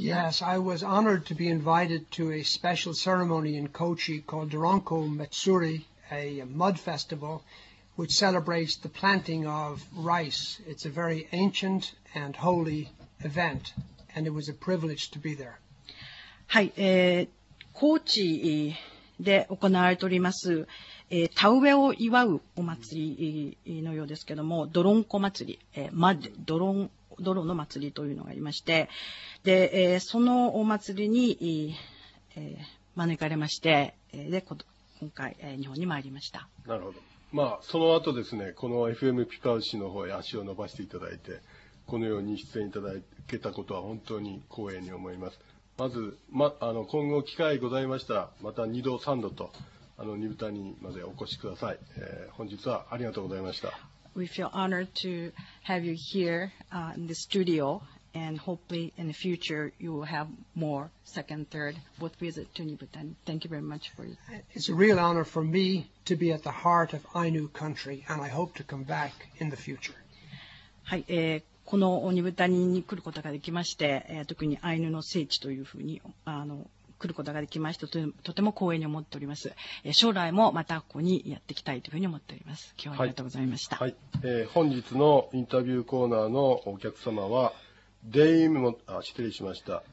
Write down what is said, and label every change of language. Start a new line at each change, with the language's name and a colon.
English: that? Yes, I was honored to be invited to a special ceremony in Kochi called Doronko Matsuri, a mud festival, which celebrates the planting of rice. It's a very ancient and holy event, and it was a privilege to be there. Hi.
Japanese: 高知で行われております、田植えを祝うお祭りのようですけども、ドロンコ祭り、マッド、ドロンの祭りというのがありまして、で、そのお祭りに、招かれまして、で、今回、日本に参りました。なるほど。まあ、その後ですね、この FM ピカウシの方へ足を伸ばしていただいて、このように出演いただけたことは本当に光栄に思います。まず、今後機会ございましたら、また2度、3度と、ニブタニまでお越しください。本日はありがとうございました。
English: We feel honored to have you here in the studio, and hopefully in the future you will have more second, third, both visit to Nibutani. Thank you very much for it. It's a real honor for me to be at the heart of Ainu country, and I hope to come back in the future.
Japanese: はい。このニブタニに来ることができまして、特にアイヌの聖地というふうに来ることができまして、とても光栄に思っております。将来もまたここにやっていきたいというふうに思っております。今日はありがとうございました。はい。はい、本日のインタビューコーナーのお客様は、失礼しました。